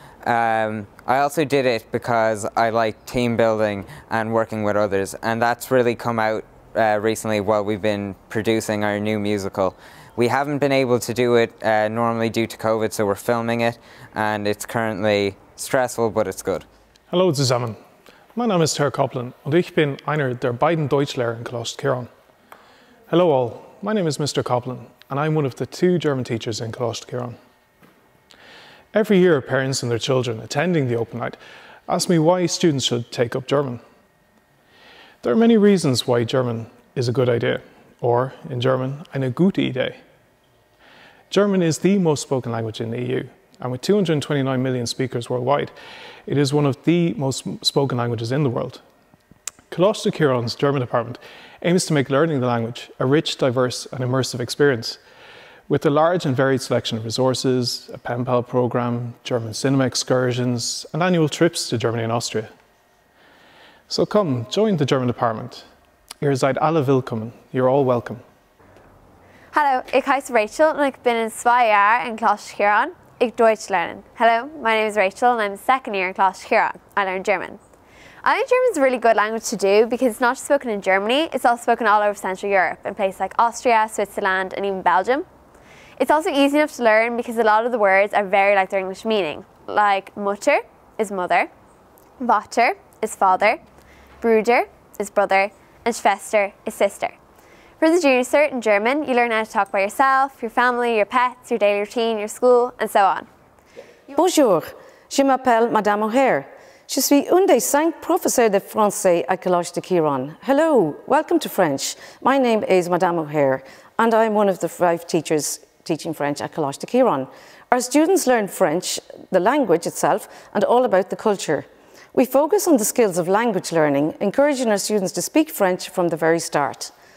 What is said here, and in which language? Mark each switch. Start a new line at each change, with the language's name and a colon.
English: I also did it because I like team building and working with others, and that's really come out recently while we've been producing our new musical. We haven't been able to do it normally due to COVID, so we're filming it, and it's currently stressful, but it's good.
German: Hello zusammen. Mein Name ist Herr Koplin und ich bin einer der beiden Deutschlehrer in Colaiste Chiarain.
English: Hello all. My name is Mr. Koplin and I'm one of the two German teachers in Colaiste Chiarain. Every year, parents and their children attending the open night asked me why students should take up German. There are many reasons why German is a good idea, or in German,
German: eine gute Idee.
English: German is the most spoken language in the EU, and with 229 million speakers worldwide, it is one of the most spoken languages in the world. Colaiste Chiarain's German department aims to make learning the language a rich, diverse, and immersive experience. With a large and varied selection of resources, a pen pal program, German cinema excursions, and annual trips to Germany and Austria. So come, join the German department.
German: Ihr seid alle willkommen.
English: You're all welcome.
German: Hallo, ich heiße Rachel und ich bin in 2 Jahren in Colaiste Chiarain. Ich Deutsch lernen.
English: Hello, my name is Rachel and I'm 2nd year in Colaiste Chiarain. I learn German. I think German is a really good language to do because it's not just spoken in Germany, it's also spoken all over Central Europe in places like Austria, Switzerland and even Belgium. It's also easy enough to learn because a lot of the words are very like their English meaning, like Mutter is mother, Vater is father, Bruder is brother, and Schwester is sister. For the junior cert in German, you learn how to talk about yourself, your family, your pets, your daily routine, your school, and so on.
French: Bonjour, je m'appelle Madame O'Hare. Je suis une des 5 professeurs de français à Colaiste Chiarain.
English: Hello, welcome to French. My name is Madame O'Hare, and I'm one of the 5 teachers teaching French at Colaiste Chiarain. Our students learn French, the language itself, and all about the culture. We focus on the skills of language learning, encouraging our students to speak French from the very start.